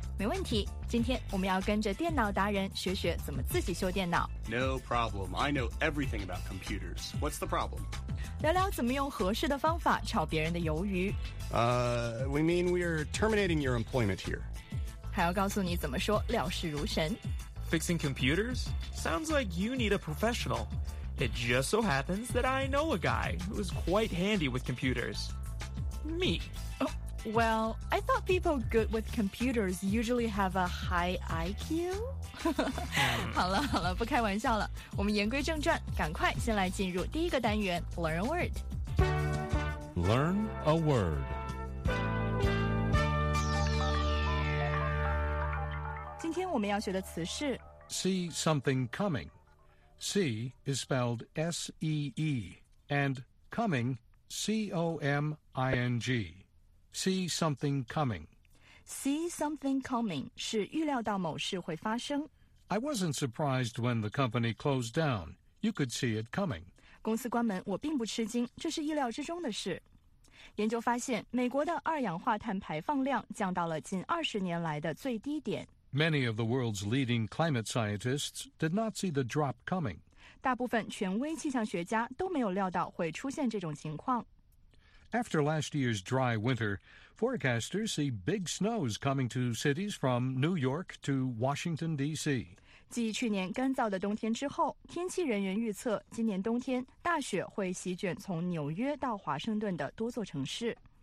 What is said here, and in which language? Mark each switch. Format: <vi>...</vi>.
<zh>没问题，今天我们要跟着电脑达人学学怎么自己修电脑。</zh> <en>No problem, I know everything about computers. What's the problem?</en> <zh>聊聊怎么用合适的方法炒别人的鱿鱼。</zh> <en>We mean we're terminating your employment here.</en> <zh>还要告诉你怎么说了事如神。</zh> <en>Fixing computers? Sounds like you need a professional. It just so happens that I know a guy who's quite handy with computers. Me. Well, I thought people good with computers usually have a high IQ.</en> <zh>好了好了，不开玩笑了。我们言归正传，赶快先来进入第一个单元 ,</zh> <en>Learn a Word. Learn a Word.</en> <zh>今天我们要学的词是</zh> <en>See something coming. See is spelled S-E-E, and coming, C-O-M-I-N-G. See something coming. See something coming</en> <zh>是预料到某事会发生。</zh> <en>I wasn't surprised when the company closed down. You could see it coming.</en> <zh>公司关门，我并不吃惊，这是意料之中的事。研究发现，美国的二氧化碳排放量降到了近二十年来的最低点。</zh> <en>Many of the world's leading climate scientists did not see the drop coming.</en> <zh>大部分权威气象学家都没有料到会出现这种情况。</zh> <en>After last year's dry winter, forecasters see big snows coming to cities from New York to Washington, D.C.</en> <zh>继去年干燥的冬天之后，天气人员预测今年冬天大雪会席卷从纽约到华盛顿的多座城市。</zh>